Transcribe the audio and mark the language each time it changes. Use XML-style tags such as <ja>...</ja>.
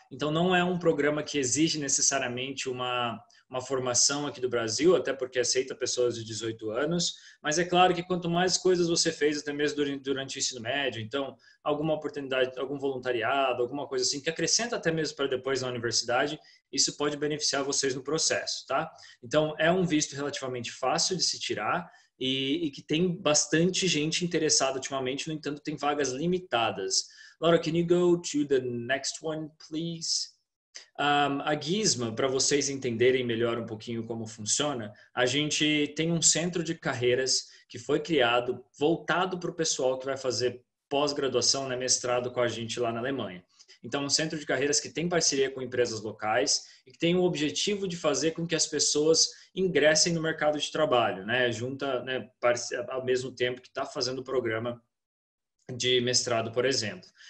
<pt>Então, não é um programa que exige necessariamente uma formação aqui do Brasil, até porque aceita pessoas de 18 anos, mas é claro que quanto mais coisas você fez, até mesmo durante o ensino médio, então, alguma oportunidade, algum voluntariado, alguma coisa assim, que acrescenta até mesmo para depois na universidade, isso pode beneficiar vocês no processo, tá? Então, é um visto relativamente fácil de se tirar e que tem bastante gente interessada ultimamente, no entanto, tem vagas limitadas.</pt> <en>Laura, can you go to the next one, please?</en> <pt>A Gisma, para vocês entenderem melhor um pouquinho como funciona, a gente tem um centro de carreiras que foi criado, voltado para o pessoal que vai fazer pós-graduação, né, mestrado com a gente lá na Alemanha. Então, um centro de carreiras que tem parceria com empresas locais e que tem o objetivo de fazer com que as pessoas ingressem no mercado de trabalho, né, junta, né, ao mesmo tempo que está fazendo o programa de mestrado, por exemplo.</pt>